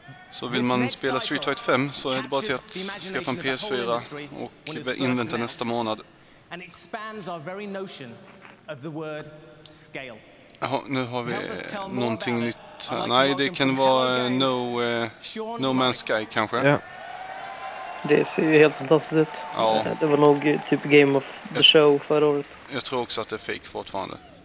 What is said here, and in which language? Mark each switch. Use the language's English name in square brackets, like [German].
[Swedish] Så vill man spela Street Fighter 5 så är det bara till att skaffa en PS4 och invänta nästa månad. [English] And expands our very notion of the word scale. [Swedish] Aha, nu har vi någonting nytt. Nej, det kan vara No Man's Sky kanske. Ja. Det ser ju helt fantastiskt ut. Ja. Det var nog typ Game of the Show förra året. Jag tror också att det är fake fortfarande.